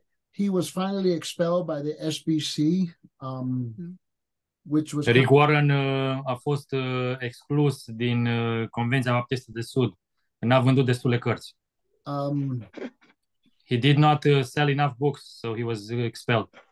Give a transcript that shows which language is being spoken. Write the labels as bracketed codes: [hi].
[en] He was finally expelled by the SBC, which was [ro] Rick Warren a fost exclus din Convenția Baptistă de Sud, n-a vândut destule cărți. [en] He did not sell enough books, so he was expelled.